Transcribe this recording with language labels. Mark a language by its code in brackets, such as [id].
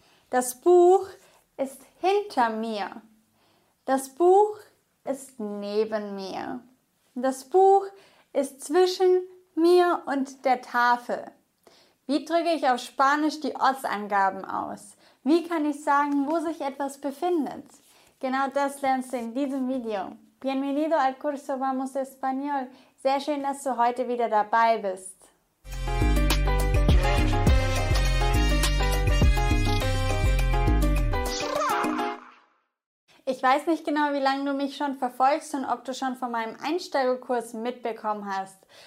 [de] Das Buch ist hinter mir. Das Buch ist neben mir. Das Buch ist zwischen mir und der Tafel. Wie drücke ich auf Spanisch die Ortsangaben aus? Wie kann ich sagen, wo sich etwas befindet? Genau das lernst du in diesem Video. [es] Bienvenido al curso Vamos Español. [de] Sehr schön, dass du heute wieder dabei bist. Ich weiß nicht genau, wie lange du mich schon verfolgst und ob du schon von meinem Einsteigerkurs mitbekommen hast.